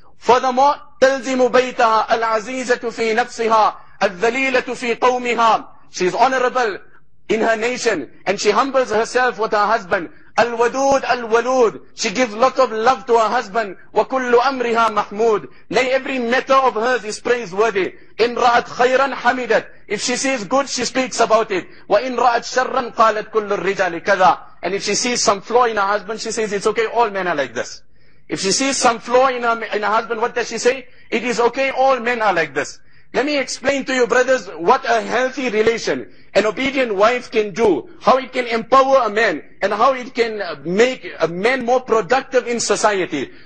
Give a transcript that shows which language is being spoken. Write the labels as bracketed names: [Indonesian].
[English] Furthermore, [Arabic] تلزم بيتها العزيزة في نفسها الذليلة في قومها. [English] She is honorable in her nation and she humbles herself with her husband. [Arabic] الودود الولود. [English] She gives lot of love to her husband. [Arabic] وكل أمرها محمود. [English] Nay, every matter of hers is praiseworthy. [Arabic] إن رأت خيرا حمدت. [English] If she sees good, she speaks about it. [Arabic] وإن رأت شرا قالت كل الرجال كذا. [English] And if she sees some flaw in her husband, she says, it's okay, all men are like this. If she sees some flaw in her husband, what does she say? It is okay, all men are like this. Let me explain to you, brothers, what a healthy relation, an obedient wife can do, how it can empower a man, and how it can make a man more productive in society.